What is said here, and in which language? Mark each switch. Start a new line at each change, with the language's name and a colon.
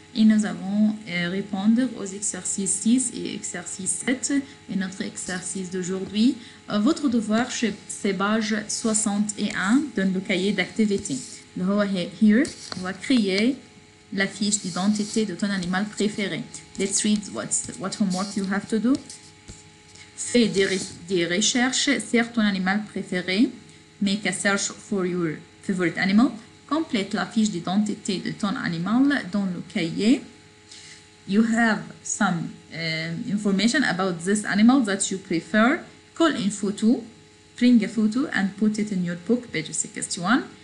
French: Et nous avons répondu aux exercices 6 et exercice 7 et notre exercice d'aujourd'hui. Votre devoir, c'est page 61 dans le cahier d'activité.
English: Here,
French: on va créer la fiche d'identité de ton animal préféré.
English: Let's read what homework you have to do.
French: Fais des recherches sur ton animal préféré.
English: Make a search for your favorite animal.
French: Complète la fiche d'identité de ton animal dans le cahier.
English: You have some information about this animal that you prefer. Call in photo. Bring a photo and put it in your book, page 61.